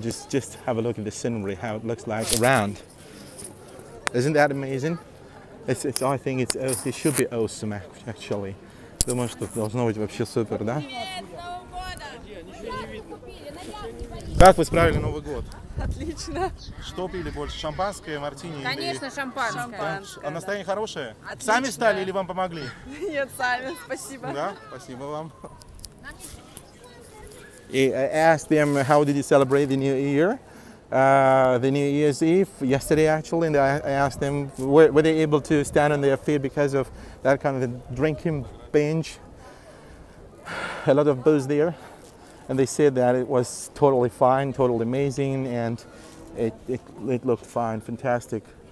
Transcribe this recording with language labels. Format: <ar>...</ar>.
<en>Just have a look at the scenery, how it looks like around. Isn't that amazing? It's I think it should be awesome actually.</en> <ru>Думаю, что должно быть вообще супер, да? Как вы справили Новый год? Отлично. Что пили больше, шампанское, мартини? Конечно, шампанское. Настроение хорошее? Отлично. Сами стали или вам помогли? Нет, сами. Спасибо. Да, спасибо вам.</ru> <en>I asked them how did you celebrate the New Year, the New Year's Eve yesterday actually, and I asked them were they able to stand on their feet because of that kind of drinking binge, a lot of booze there, and they said that it was totally fine, totally amazing, and it looked fine, fantastic.</en>